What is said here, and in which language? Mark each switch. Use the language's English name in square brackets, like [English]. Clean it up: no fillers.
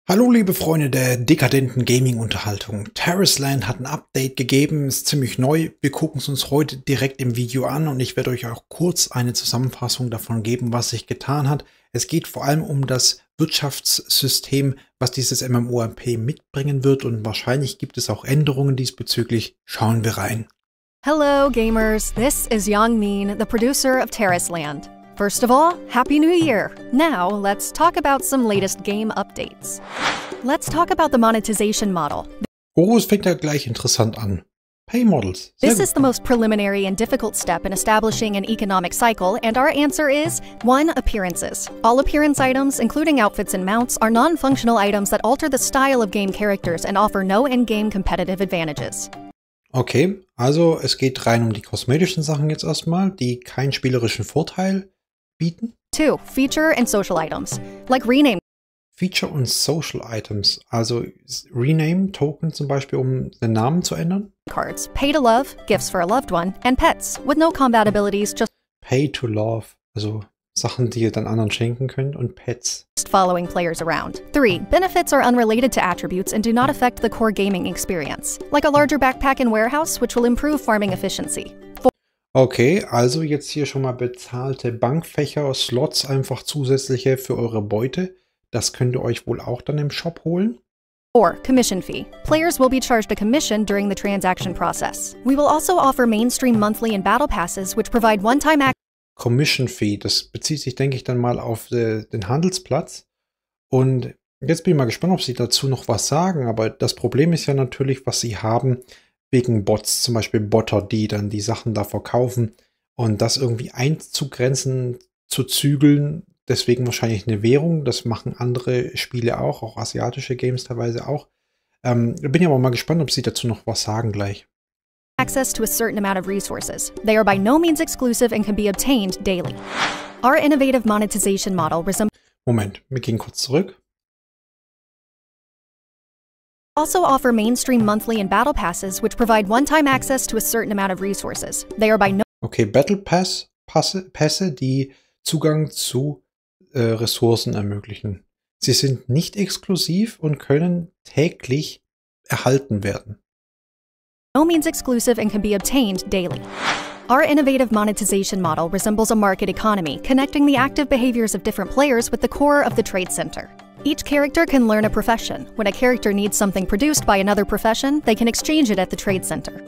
[German] Hallo liebe Freunde der dekadenten Gaming-Unterhaltung. Terraceland hat ein Update gegeben, ist ziemlich neu. Wir gucken es uns heute direkt im Video an und ich werde euch auch kurz eine Zusammenfassung davon geben, was sich getan hat. Es geht vor allem um das Wirtschaftssystem, was dieses MMORPG mitbringen wird und wahrscheinlich gibt es auch Änderungen diesbezüglich. Schauen wir rein. [English] Hello gamers, this is Yang Min, the producer of Terraceland. First of all, Happy New Year! Now, let's talk about some latest game updates. Let's talk about the monetization model. [German] Oh, es fängt ja gleich interessant an. [English] Pay models. [German] Sehr [English] This [German] gut. [English] Is the most preliminary and difficult step in establishing an economic cycle, and our answer is 1. Appearances. All appearance items, including outfits and mounts, are non-functional items that alter the style of game characters and offer no end-game competitive advantages. [German] Okay, also es geht rein um die kosmetischen Sachen jetzt erstmal, die keinen spielerischen Vorteil bieten. [English] 2. Feature and Social Items, like Rename. [German] Feature und Social Items, also Rename, Token zum Beispiel, um den Namen zu ändern. [English] Cards, Pay to Love, Gifts for a Loved One, and Pets, with no combat abilities, just... [German] Pay to Love, also Sachen, die ihr dann anderen schenken könnt, und Pets. [English] Just following players around. 3. Benefits are unrelated to attributes and do not affect the core gaming experience, like a larger backpack and warehouse, which will improve farming efficiency. [German] Okay, also jetzt hier schon mal bezahlte Bankfächer, Slots, einfach zusätzliche für eure Beute. Das könnt ihr euch wohl auch dann im Shop holen. [English] 4. Commission fee. Players will be charged a commission during the transaction process. We will also offer mainstream monthly and battle passes, which provide one-time access. [German] Commission fee, das bezieht sich, denke ich, dann mal auf den Handelsplatz. Und jetzt bin ich mal gespannt, ob sie dazu noch was sagen. Aber das Problem ist ja natürlich, was sie haben wegen Bots, zum Beispiel Botter, die dann die Sachen da verkaufen und das irgendwie einzugrenzen, zu zügeln, deswegen wahrscheinlich eine Währung. Das machen andere Spiele auch, auch asiatische Games teilweise auch. Bin ja aber mal gespannt, ob sie dazu noch was sagen gleich. [English] Access to a certain amount of resources. They are by no means exclusive and can be obtained daily. Our innovative monetization model resembles. [German] Moment, wir gehen kurz zurück. [English] Also offer mainstream monthly and battle passes, which provide one-time access to a certain amount of resources. They are by no. [German] Okay, Battle Pass, Pässe, die Zugang zu Ressourcen ermöglichen. Sie sind nicht exklusiv und können täglich erhalten werden. [English] No means exclusive and can be obtained daily. Our innovative monetization model resembles a market economy, connecting the active behaviors of different players with the core of the trade center. Each character can learn a profession. When a character needs something produced by another profession, they can exchange it at the trade center.